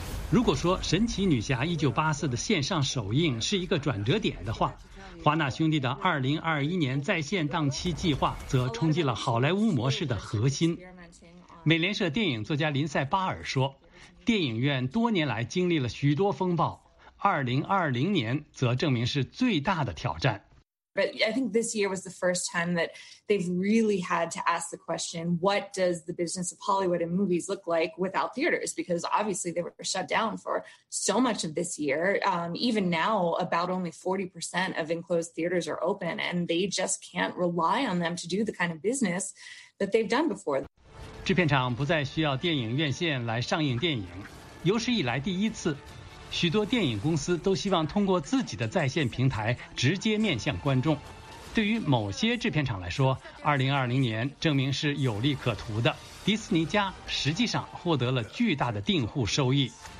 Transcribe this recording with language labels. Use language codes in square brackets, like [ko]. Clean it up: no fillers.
[zh] 如果说神奇女侠1984的线上首映是一个转折点的话，华纳兄弟的2021年在线档期计划则冲击了好莱坞模式的核心。美联社电影作家林塞·巴尔说，电影院多年来经历了许多风暴，2020年则证明是最大的挑战。 [en] But I think this year was the first time that they've really had to ask the question, what does the business of Hollywood and movies look like without theaters? Because obviously they were shut down for so much of this year. Even now, about only 40% of enclosed theaters are open, and they just can't rely on them to do the kind of business that they've done before. [zh] 制片厂不再需要电影院线来上映电影，有史以来第一次，许多电影公司都希望通过自己的在线平台直接面向观众。对于某些制片厂来说，2020年证明是有利可图的，迪士尼加实际上获得了巨大的订户收益。